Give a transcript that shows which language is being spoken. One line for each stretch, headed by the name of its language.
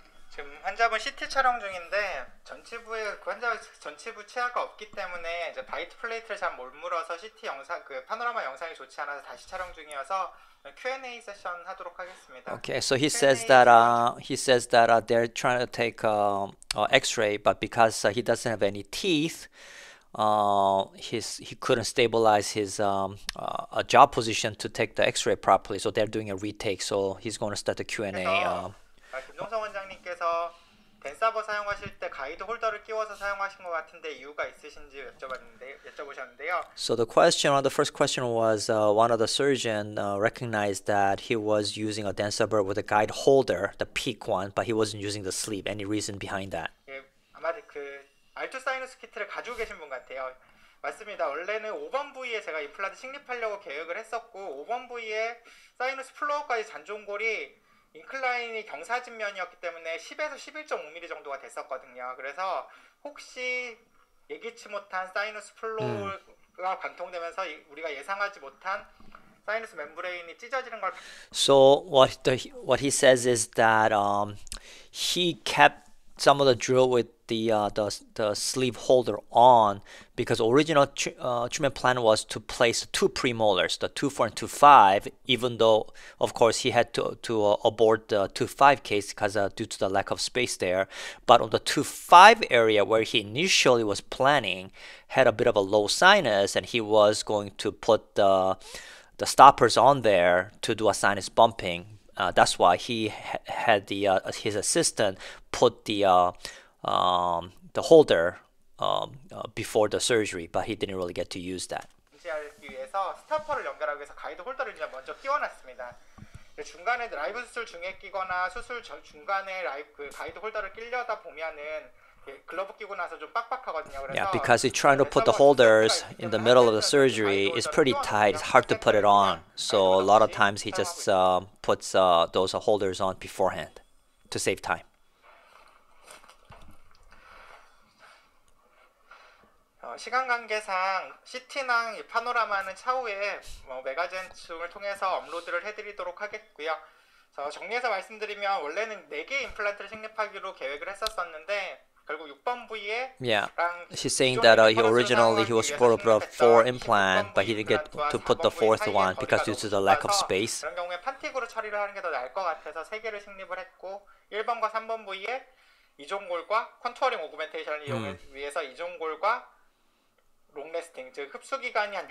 Korean: 지금 환자분 CT 촬영 중인데 전치부에 그 환자 전치부 치아가 없기 때문에 이제 바이트 플레이트를 잘 못 물어서 CT 영상 그 파노라마 영상이 좋지 않아서 다시 촬영 중이어서 Q&A 세션 하도록 하겠습니다.
English: Okay. So he says that they're trying to take X-ray, but because he doesn't have any teeth. He couldn't stabilize his jaw position to take the X-ray properly, so they're doing a retake. So he's going to start the Q&A.
Korean: 그래서 김종성 원장님께서 벤사버 사용하실 때 가이드 홀더를 끼워서 사용하신 것 같은데 이유가 있으신지 여쭤보셨는데요.
English: So the question, or the first question was, one of the surgeon recognized that he was using a Densaber with a guide holder, the peak one, but he wasn't using the sleeve. Any reason behind that?
Korean: 아마 그 알투 사이너스 키트를 가지고 계신 분 같아요. 맞습니다. 원래는 5번 부위에 제가 임플란트 식립하려고 계획을 했었고 5번 부위에 사이너스 플로어까지 잔존골이 인클라인이 경사진 면이었기 때문에 10에서 11.5mm 정도가 됐었거든요. 그래서 혹시 예기치 못한 사이너스 플로어가 관통되면서 우리가 예상하지 못한 사이너스 멤브레인이 찢어지는 걸.
English: So what he says is that he kept some of the drill with the sleeve holder on because original treatment plan was to place two premolars, the 2-4 and 2-5, even though of course he had to abort the 2-5 case because due to the lack of space there. But on the 2-5 area where he initially was planning had a bit of a low sinus, and he was going to put the stoppers on there to do a sinus bumping. That's why he had the his assistant put the holder before the surgery, but he didn't really get to use that.
Korean: 인지하기 위해서 스타퍼를 연결하기 위해서 가이드 홀더를 그냥 먼저 끼워놨습니다. 중간에 라이브 수술 중에 끼거나 수술 중간에 그 가이드 홀더를 끼려다 보면은 글러브 끼고 나서 좀 빡빡하거든요. 그래서
English: yeah, because he's trying to put the holders in the middle of the surgery. It's pretty tight. It's hard to put it on. So a lot of times he just puts those holders on beforehand to save time.
Korean: 시간 관계상 CT나 이 파노라마는 차후에 뭐 메가젠충을 통해서 업로드를 해드리도록 하겠고요. 저 정리해서 말씀드리면 원래는 4개 임플란트를 식립하기로 계획을 했었었는데 결국 6번 부위에
English: yeah. He's saying that he originally he was supposed to put a 4 implant, but he didn't get to put the 4th one because due to the lack of space.
Korean: 그런 경우에 판틱으로 처리를 하는 게 더 나을 것 같아서 3개를 식립을 했고 1번과 3번 부위에 이종골과 컨투어링 오그멘테이션을 이용해 위해서 이종골과 롱래스팅, 즉 흡수 기간이 한